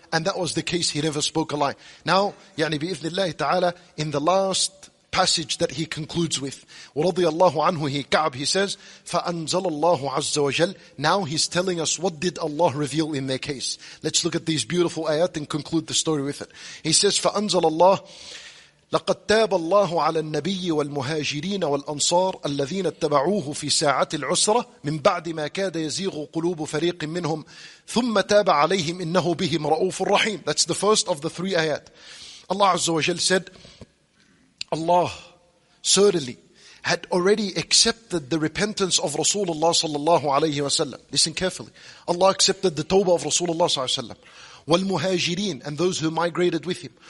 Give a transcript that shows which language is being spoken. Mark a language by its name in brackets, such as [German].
[English] And that was the case, he never spoke a lie. Now, [Arabic] يعني بإذن الله تعالى, [English] in the last passage that he concludes with, [Arabic] ورضي الله عنه, [English] Ka'b, he says, [Arabic] فأنزل الله عز وجل. [English] Now he's telling us what did Allah reveal in their case. Let's look at these beautiful ayat and conclude the story with it. He says, [Arabic] فأنزل الله لقد تاب الله على النبي والمهاجرين والأنصار الذين اتبعوه في ساعة العسرة من بعد ما كاد يزيغ قلوب فريق منهم ثم تاب عليهم إنه بهم رؤوف الرحيم. [English] That's the first of the three ayat. Allah عز وجل said, Allah certainly had already accepted the repentance of Rasulullah sallallahu alayhi wa sallam. Listen carefully. Allah accepted the tawbah of Rasulullah sallallahu alayhi wa sallam. Wal muhajirin, and those who migrated with him.